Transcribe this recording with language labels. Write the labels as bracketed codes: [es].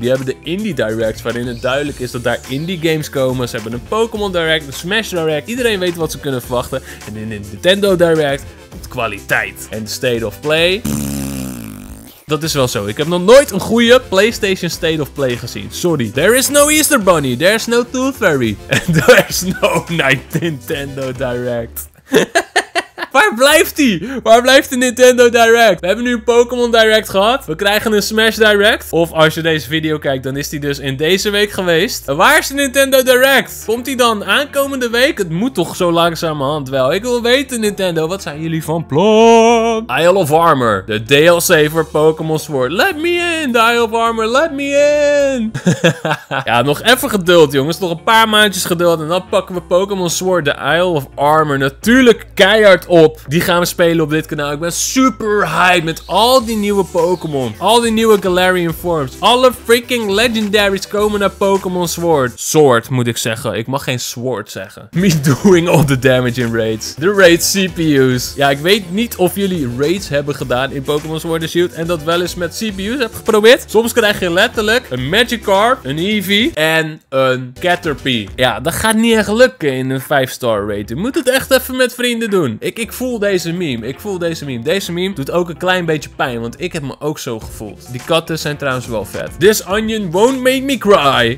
[nl] Die hebben de Indie Direct, waarin het duidelijk is dat daar indie games komen. Ze hebben een Pokémon Direct, een Smash Direct. Iedereen weet wat ze kunnen verwachten. En in de Nintendo Direct komt kwaliteit. En State of Play... Dat is wel zo. Ik heb nog nooit een goede PlayStation State of Play gezien. Sorry. [en] There is no Easter Bunny. There is no Tooth Fairy. And there is no Nintendo Direct. [nl] Waar blijft die? Waar blijft de Nintendo Direct? We hebben nu een Pokémon Direct gehad. We krijgen een Smash Direct. Of als je deze video kijkt, dan is die dus in deze week geweest. Waar is de Nintendo Direct? Komt die dan aankomende week? Het moet toch zo langzamerhand wel. Ik wil weten, Nintendo, wat zijn jullie van plan? Isle of Armor. De DLC voor Pokémon Sword. [en] Let me in, Isle of Armor. Let me in. [nl] Ja, nog even geduld, jongens. Nog een paar maandjes geduld. En dan pakken we Pokémon Sword, de Isle of Armor. Natuurlijk keihard op. Die gaan we spelen op dit kanaal. Ik ben super hyped met al die nieuwe Pokémon. Al die nieuwe Galarian Forms. Alle freaking legendaries komen naar Pokémon Sword. Sword moet ik zeggen. Ik mag geen sword zeggen. [en] Me doing all the damage in raids. [nl] De raid CPU's. Ja, ik weet niet of jullie raids hebben gedaan in Pokémon Sword & Shield en dat wel eens met CPU's heb geprobeerd. Soms krijg je letterlijk een Magikarp, een Eevee en een Caterpie. Ja, dat gaat niet echt lukken in een 5-star raid. Je moet het echt even met vrienden doen. Ik voel deze meme. Ik voel deze meme. Deze meme doet ook een klein beetje pijn, want ik heb me ook zo gevoeld. Die katten zijn trouwens wel vet. [en] This onion won't make me cry.